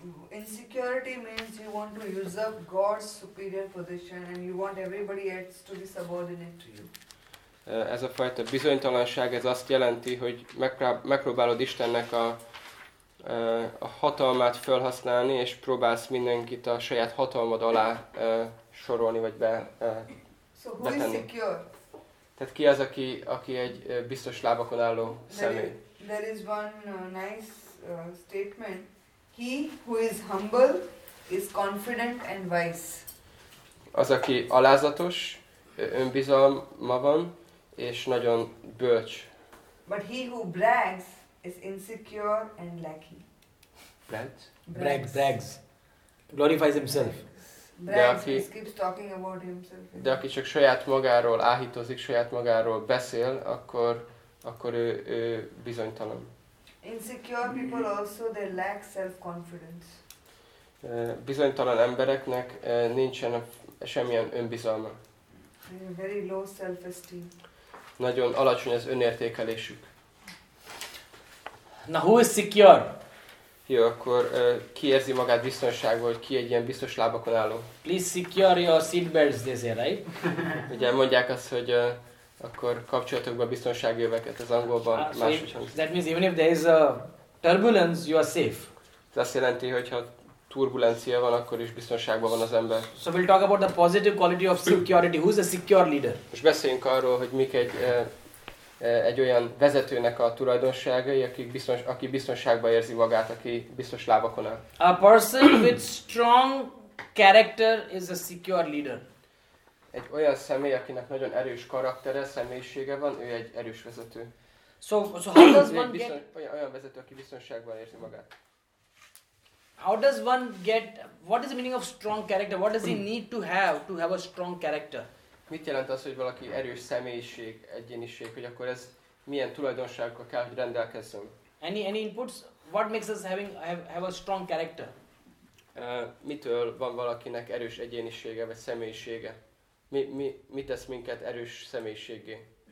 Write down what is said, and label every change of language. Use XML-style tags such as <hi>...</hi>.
<en>Insecurity means you want to usurp God's superior position and you want everybody else to be subordinate to you.</en> <hu>Ez a fajta bizonytalanság, ez azt jelenti, hogy megpróbálod Istennek a hatalmát felhasználni, és próbálsz mindenkit a saját hatalmad alá sorolni, vagy betenni.</hu> <en>So who is secure?</en> <hu>Tehát ki az, aki egy biztos lábakon álló személy?</hu> <en>There is one nice statement. He who is humble is confident and wise.</en> <hu>Az, aki alázatos, önbizalma van, és nagyon bölcs.</hu> <en>But he who brags is insecure and lacking. Brags? Brags. Glorifies himself. Brags, he keeps talking about himself.</en> <hu>De aki csak saját magáról áhítozik, saját magáról beszél, akkor ő bizonytalan.</hu> <en>Insecure people also, they lack self-confidence.</en> <hu>Bizonytalan embereknek nincsen semmilyen önbizalma.</hu> <en>Very low self-esteem.</en> <hu>Nagyon alacsony az önértékelésük.</hu> <en>Na, who is secure?</en> <hu>Jó, akkor ki érzi magát biztonságban, hogy ki egy ilyen biztos lábakon álló?</hu> <en>Please secure your seatbelts, Dezé, right?</en> <hu>Ugye mondják azt, hogy akkor kapcsoljatok be a biztonsági öveket, az angolban máshogy hangzik.</hu> <en>That means even if there is a turbulence, you are safe.</en> <hu>Ez azt jelenti, hogy ha turbulencia van, akkor is biztonságban van az ember.</hu> <en>So we'll talk about the positive quality of security. Who's a secure leader?</en> <hu>Most beszéljünk arról, hogy mik egy olyan vezetőnek a tulajdonságai, aki biztonságban érzi magát, aki biztos lábakon áll.</hu> <en>A person with strong character is a secure leader.</en> <hu>Egy olyan személy, akinek nagyon erős karaktere, személyisége van, ő egy erős vezető.</hu> <en>So how does one get</en> <hu>olyan vezető, aki biztonságban érzi magát?</hu> <en>How does one get, what is the meaning of strong character? What does he need to have a strong character?</en> <hu>Mit jelent az, hogy valaki erős személyiség, egyéniség, hogy akkor ez milyen tulajdonságokkal kell, hogy rendelkezzen?</hu> <en>Any inputs? What makes us have a strong character?</en> <hu>Mitől van valakinek erős egyénisége vagy személyisége? Mi tesz minket erős személyiséggé?</hu>